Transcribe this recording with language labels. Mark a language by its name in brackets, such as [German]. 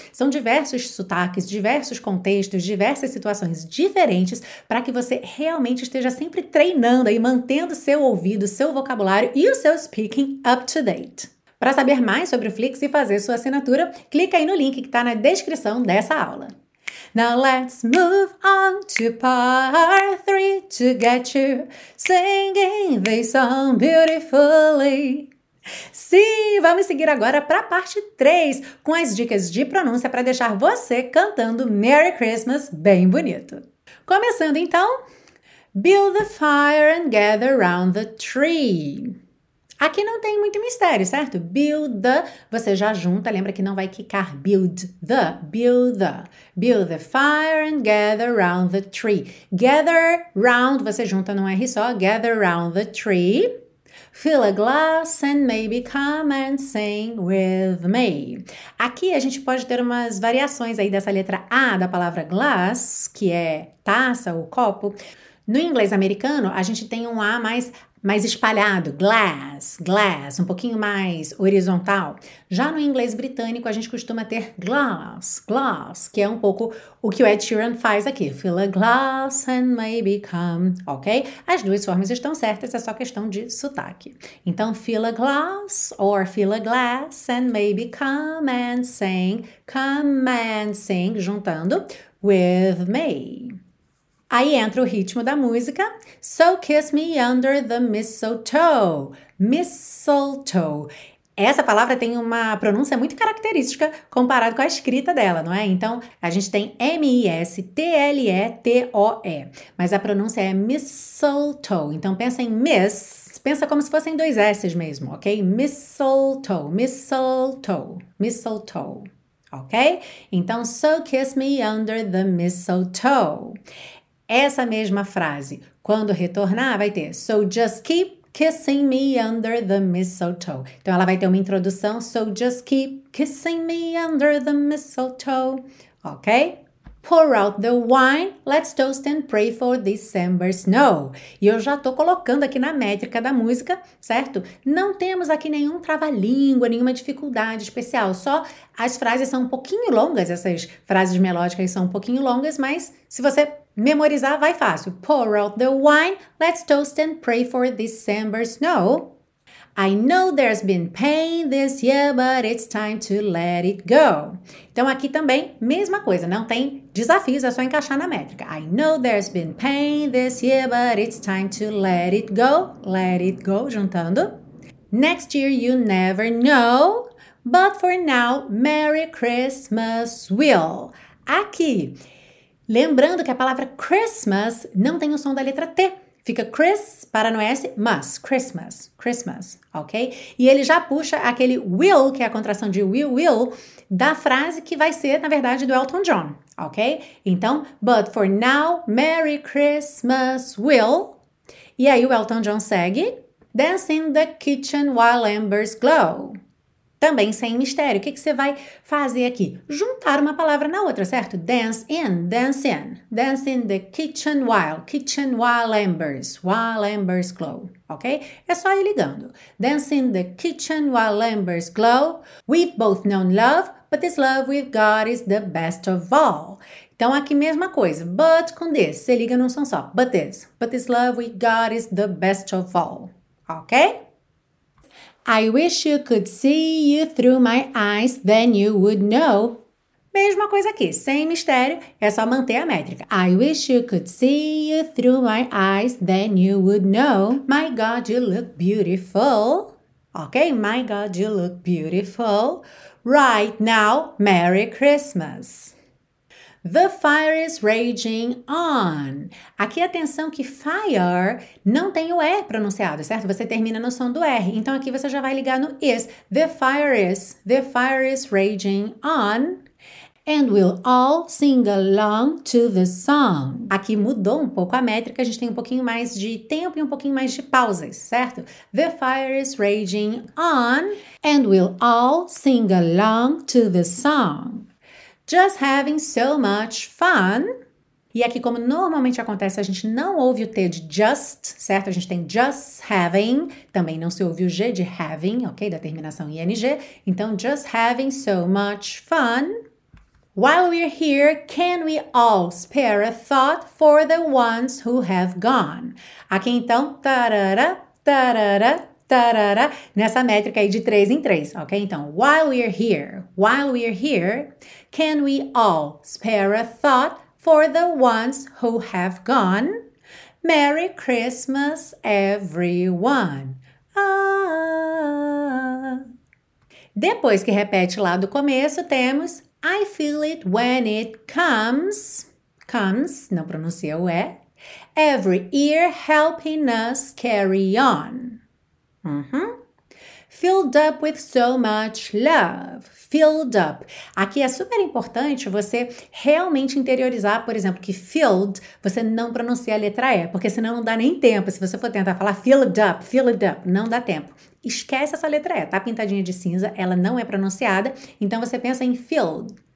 [Portuguese] São diversos sotaques, diversos contextos, diversas situações diferentes para que você realmente esteja sempre treinando e mantendo seu ouvido, seu vocabulário e o seu [English] speaking up to date. [Portuguese] Para saber mais sobre o Flix e fazer sua assinatura, clica aí no link que está na descrição dessa aula. [English] Now let's move on to part 3 to get you singing this song beautifully. [Portuguese] Sim, vamos seguir agora para a parte 3 com as dicas de pronúncia para deixar você cantando Merry Christmas bem bonito. Começando então, [English] build the fire and gather round the tree. [Portuguese] Aqui não tem muito mistério, certo? [English] Build the, [Portuguese] você já junta, lembra que não vai quicar. [English] Build the, build the. Build the fire and gather round the tree. [Portuguese] Gather round, você junta num R só. [English] Gather round the tree. Fill a glass and maybe come and sing with me. [Portuguese] Aqui a gente pode ter umas variações aí dessa letra A da palavra glass, que é taça ou copo. No inglês americano, a gente tem um A mais espalhado, glass, glass, um pouquinho mais horizontal. Já no inglês britânico, a gente costuma ter glass, glass, que é um pouco o que o Ed Sheeran faz aqui. [English] Fill a glass and maybe come, ok? [Portuguese] As duas formas estão certas, é só questão de sotaque. [English] Então, fill a glass or fill a glass and maybe come and sing, juntando, with me. [Portuguese] Aí entra o ritmo da música. [English] So kiss me under the mistletoe. Mistletoe. [Portuguese] Essa palavra tem uma pronúncia muito característica comparado com a escrita dela, não é? Então, a gente tem M-I-S-T-L-E-T-O-E. Mas a pronúncia é mistletoe. Então, pensa em miss. Pensa como se fossem dois S's mesmo, ok? [English] Mistletoe, mistletoe, mistletoe. Ok? Então, so kiss me under the mistletoe. [Portuguese] Essa mesma frase, quando retornar, vai ter [English] so just keep kissing me under the mistletoe. [Portuguese] Então, ela vai ter uma introdução, [English] so just keep kissing me under the mistletoe, ok? Pour out the wine, let's toast and pray for December snow. [Portuguese] E eu já tô colocando aqui na métrica da música, certo? Não temos aqui nenhum trava-língua, nenhuma dificuldade especial, só as frases são um pouquinho longas, essas frases melódicas são um pouquinho longas, mas se você memorizar, vai fácil. [English] Pour out the wine, let's toast and pray for December snow. I know there's been pain this year, but it's time to let it go. [Portuguese] Então, aqui também, mesma coisa, não tem desafios, é só encaixar na métrica. [English] I know there's been pain this year, but it's time to let it go. Let it go, juntando. Next year, you never know, but for now, Merry Christmas, Will. [Portuguese] Aqui, lembrando que a palavra Christmas não tem o som da letra T. Fica Chris, para no S, mas, Christmas, Christmas, ok? E ele já puxa aquele will, que é a contração de will, da frase que vai ser, na verdade, do Elton John, ok? [English] Então, but for now, Merry Christmas, Will. [Portuguese] E aí o Elton John segue, [English] dance in the kitchen while embers glow. [Portuguese] Também sem mistério, o que você vai fazer aqui? Juntar uma palavra na outra, certo? [English] Dance in, dance in. Dance in the kitchen while embers glow, ok? [Portuguese] É só ir ligando. [English] Dance in the kitchen while embers glow. We've both known love, but this love we've got is the best of all. [Portuguese] Então, aqui mesma coisa, but com this, você liga num som só. [English] But this love we've got is the best of all, ok? I wish you could see you through my eyes, then you would know. [Portuguese] Mesma coisa aqui, sem mistério, é só manter a métrica. [English] I wish you could see you through my eyes, then you would know. My God, you look beautiful. Ok, my God, you look beautiful. Right now, Merry Christmas. The fire is raging on. [Portuguese] Aqui, atenção que fire não tem o E pronunciado, certo? Você termina no som do R. Então, aqui você já vai ligar no is. [English] The fire is raging on. And we'll all sing along to the song. [Portuguese] Aqui mudou um pouco a métrica. A gente tem um pouquinho mais de tempo e um pouquinho mais de pausas, certo? [English] The fire is raging on. And we'll all sing along to the song. Just having so much fun. [Portuguese] E aqui, como normalmente acontece, a gente não ouve o T de just, certo? A gente tem [English] just having. [Portuguese] Também não se ouve o G de having, ok? Da terminação ing. [English] Então, just having so much fun. While we're here, can we all spare a thought for the ones who have gone? [Portuguese] Aqui então, tarara, tarara, tarara, nessa métrica aí de três em três, ok? [English] Então, while we're here, can we all spare a thought for the ones who have gone? Merry Christmas, everyone! Ah. [Portuguese] Depois que repete lá do começo, temos... [English] I feel it when it comes, [Portuguese] não pronuncia o E, [English] every ear helping us carry on. Uhum. Filled up with so much love, filled up. [Portuguese] Aqui é super importante você realmente interiorizar, por exemplo, que filled, você não pronuncia a letra E, porque senão não dá nem tempo. Se você for tentar falar [English] filled up, [Portuguese] não dá tempo. Esquece essa letra E, tá pintadinha de cinza, ela não é pronunciada, então você pensa em filled.